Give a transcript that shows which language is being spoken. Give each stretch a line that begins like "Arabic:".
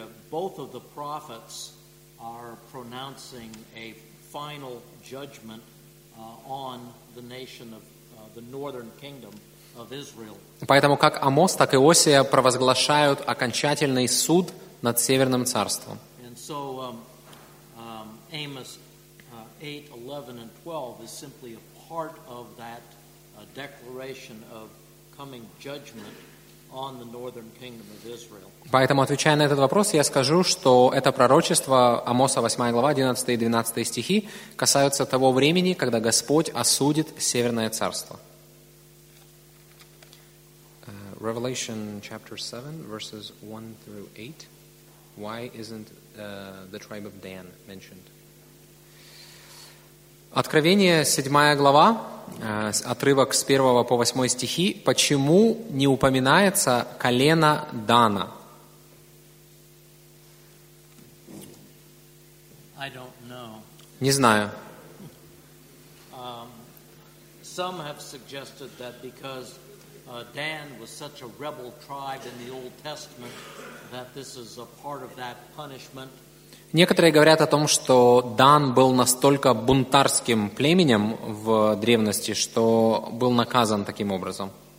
English: Both of the prophets are pronouncing a final judgment on the nation of the northern kingdom of Israel.
Russian: Поэтому как Амос, так и Осия провозглашают окончательный суд над Северным царством.
English: And so Amos 8, 11 and 12 is simply a part of that declaration of coming judgment on the northern kingdom of Israel.
Russian: Поэтому, отвечая на этот вопрос, я скажу, что это пророчество Амоса, 8 глава, 11 и 12 стихи, касаются того времени, когда Господь осудит Северное Царство.
English: Revelation chapter 7, verses 1 through 8. Why isn't the tribe of Dan mentioned?
Russian: Откровение, 7 глава, отрывок с 1 по 8 стихи. Почему не упоминается колено Дана?
English: I don't know.
Russian: Не знаю.
English: Some have suggested that because Dan was such a rebel tribe in the Old Testament, that this is a part of that punishment.
Russian: Некоторые говорят о том, что Дан был настолько бунтарским племенем в древности, что был наказан таким образом.